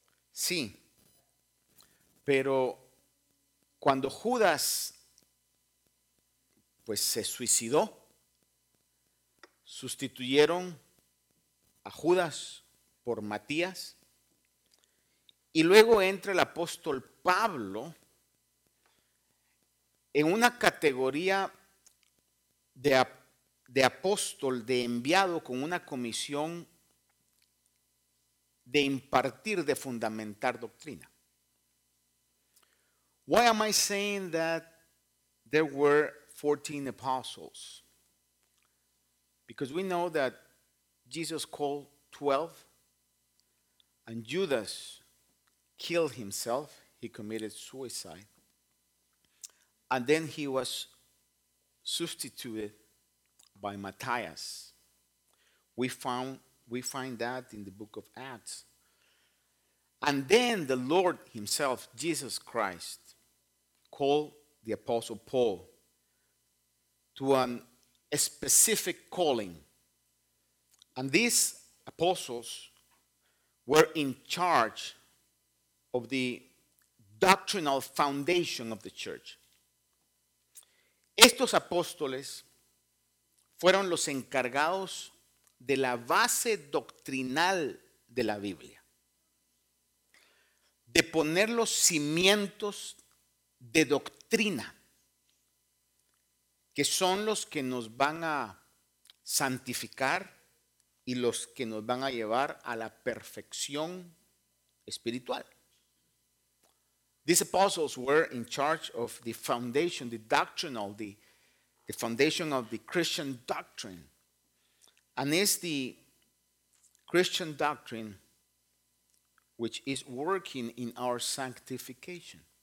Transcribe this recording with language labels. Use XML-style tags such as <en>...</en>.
<es>Sí, pero cuando Judas pues se suicidó, sustituyeron a Judas por Matías y luego entra el apóstol Pablo en una categoría de apóstol, de enviado con una comisión de impartir, de fundamentar doctrina.</es> <en>Why am I saying that there were 14 apostles? Because we know that Jesus called 12 and Judas killed himself. He committed suicide. And then he was substituted by Matthias. We find that in the book of Acts. And then the Lord himself, Jesus Christ, called the apostle Paul to a specific calling. And these apostles were in charge of the doctrinal foundation of the church.</en> <es>Estos apóstoles fueron los encargados de la base doctrinal de la Biblia, de poner los cimientos de doctrina, que son los que nos van a santificar y los que nos van a llevar a la perfección espiritual.</es> <en>These apostles were in charge of the foundation, the doctrinal, the foundation of the Christian doctrine. And it's the Christian doctrine which is working in our sanctification.</en>